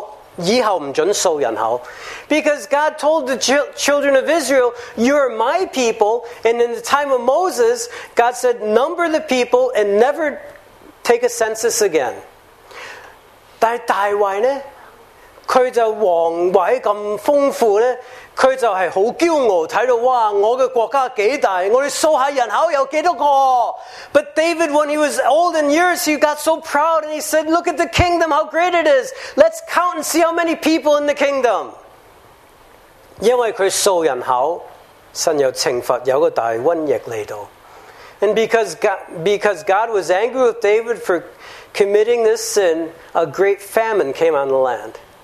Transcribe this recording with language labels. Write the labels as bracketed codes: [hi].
[zh] 因为圣经说明以色列人是神的百姓,在民数记摩西的时代,数人口,以后不准数人口. [en] Because God told the children of Israel, you are my people, and in the time of Moses, God said, number the people and never take a census again. [zh] 但是大卫呢? 他就王位这么丰富,他就是很骄傲,看到,哇,我的国家多大,我们数下人口有多少个? [en] But David, when he was old in years, he got so proud, and he said, look at the kingdom, how great it is. Let's count and see how many people in the kingdom. [zh] 因为他数人口,神有惩罚,有个大瘟疫来到. [en] And because God was angry with David for committing this sin, a great famine came on the land.